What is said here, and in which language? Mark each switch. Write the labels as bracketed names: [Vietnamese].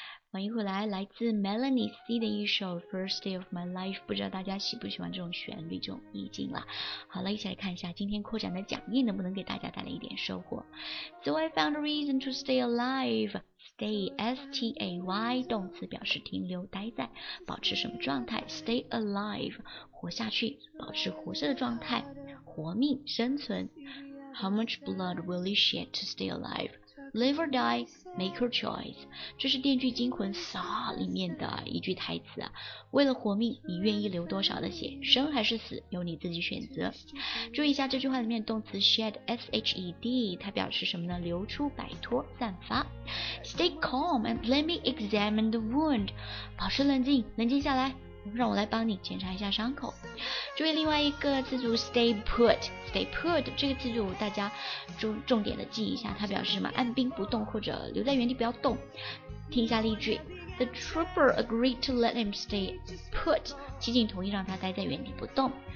[Chinese] 欢迎回来，来自 Melanie C 的一首 First Day of My Life， 不知道大家喜不喜欢这种旋律，这种意境了。好了，一起来看一下今天扩展的讲义能不能给大家带来一点收获。 [English] So I found a reason to stay alive. [Chinese] Stay, S-T-A-Y, 动词表示停留、待在、保持什么状态。 [English] Stay alive, [Chinese] 活下去、保持活着的状态、活命、生存。 [English] How much blood will you shed to stay alive? Live or die, make your choice. [Chinese] 这是《电锯惊魂》Saw 里面的一句台词啊。为了活命，你愿意流多少的血？生还是死，由你自己选择。注意一下这句话里面动词 shed, S-H-E-D, 它表示什么呢？流出、摆脱、散发。 [English] Stay calm and let me examine the wound. [Chinese] 保持冷静，冷静下来，让我来帮你检查一下伤口。注意另外一个字组 stay put， stay put 这个字组大家重点的记一下，它表示什么？按兵不动或者留在原地不要动。听一下例句， [English] The trooper agreed to let him stay put， [Chinese] 骑警同意让他待在原地不动。